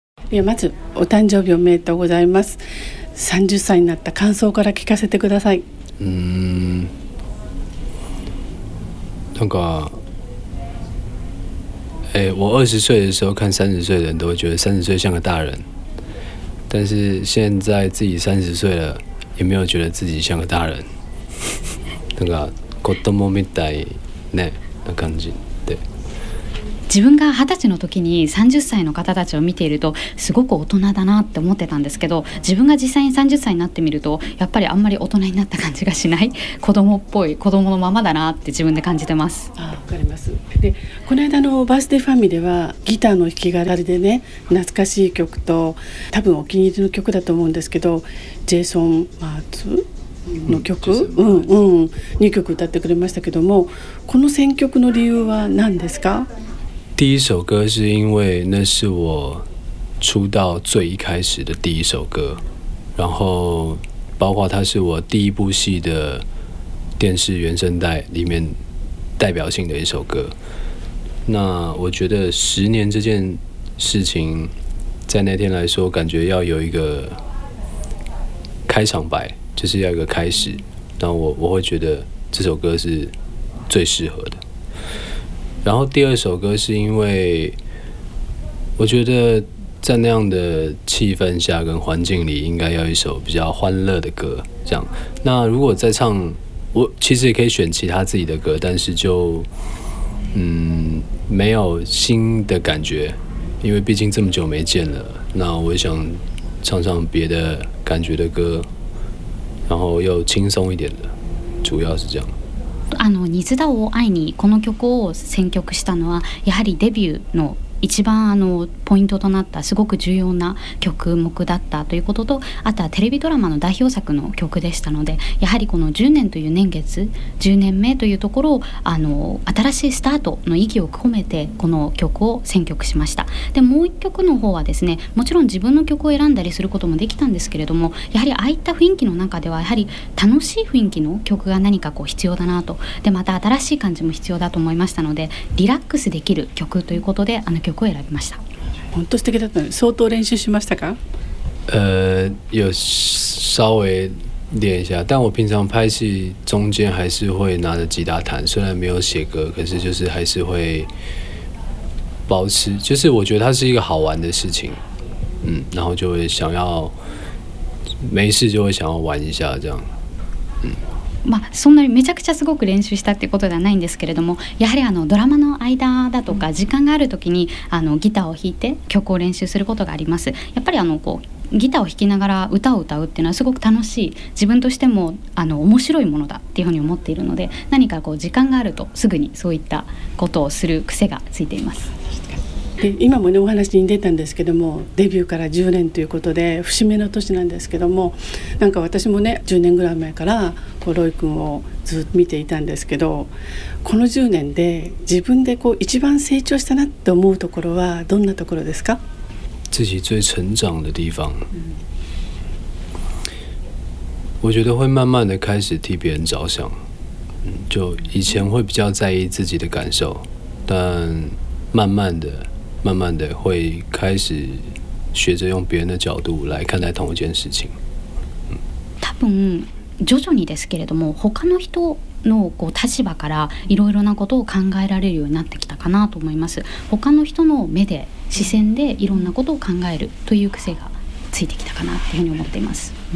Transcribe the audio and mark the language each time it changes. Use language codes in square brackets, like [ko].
[ja] いや、まずお誕生日おめでとうございます。30歳になった感想から聞かせてください。なんか [zh] 我20岁的时候看30岁的人都会觉得30岁像个大人，但是现在自己30岁了也没有觉得自己像个大人。 [ja] なんか子供みたいね、な感じで。自分が20歳の時に30歳の方たちを見ているとすごく大人だなって思ってたんですけど、自分が実際に30歳になってみるとやっぱりあんまり大人になった感じがしない、子供っぽい子供のままだなって自分で感じてます。あ、分かります。でこの間のバースデーファミリーではギターの弾き語りでね、懐かしい曲と多分お気に入りの曲だと思うんですけど、ジェイソン・マーツの曲、2曲歌ってくれましたけども、この選曲の理由は何ですか？ [zh] 第一首歌是因为那是我出道最一开始的第一首歌，然后包括它是我第一部戏的电视原声带里面代表性的一首歌。那我觉得十年这件事情在那天来说感觉要有一个开场白，就是要一个开始，那我会觉得这首歌是最适合的。然后第二首歌是因为我觉得在那样的气氛下跟环境里应该要一首比较欢乐的歌这样。那如果再唱，我其实也可以选其他自己的歌，但是就没有新的感觉，因为毕竟这么久没见了，那我想唱唱别的感觉的歌，然后又轻松一点的，主要是这样。 [ja] あの水田を愛にこの曲を選曲したのはやはりデビューの一番あのポイントとなったすごく重要な曲目だったということと、あとはテレビドラマの代表作の曲でしたので、やはりこの10年という年月、10年目というところをあの新しいスタートの意義を込めてこの曲を選曲しました。でもう一曲の方はですね、もちろん自分の曲を選んだりすることもできたんですけれども、やはりああいった雰囲気の中ではやはり楽しい雰囲気の曲が何かこう必要だなと、でまた新しい感じも必要だと思いましたので、リラックスできる曲ということで曲を選びました。本当素敵だったね。相当練習しましたか？ [zh] 有稍微練一下，但我平常拍戏中间还是会拿着吉他弹，虽然没有写歌，可是就是还是会保持，就是我觉得它是一个好玩的事情，然后就会想要没事就会想要玩一下这样。 [ja] まあ、そんなにめちゃくちゃすごく練習したってことではないんですけれども、やはりあのドラマの間だとか時間があるときにあのギターを弾いて曲を練習することがあります。やっぱりあのこうギターを弾きながら歌を歌うっていうのはすごく楽しい、自分としてもあの面白いものだっていうふうに思っているので、何かこう時間があるとすぐにそういったことをする癖がついています。で今もねお話に出たんですけども、デビューから10年ということで節目の年なんですけども、なんか私もね10年ぐらい前からこうロイ君をずっと見ていたんですけど、この10年で自分でこう一番成長したなって思うところはどんなところですか？ [zh] 自己最成長的地方、我觉得会慢慢的开始替别人着想，就以前会比较在意自己的感受，但慢慢的会开始学着用别人的角度来看待同一件事情。 [ja] 多分徐々にですけれども、他の人のこう立場からいろいろなことを考えられるようになってきたかなと思います。他の人の目で視線でいろんなことを考えるという癖がついてきたかなというふうに思っています。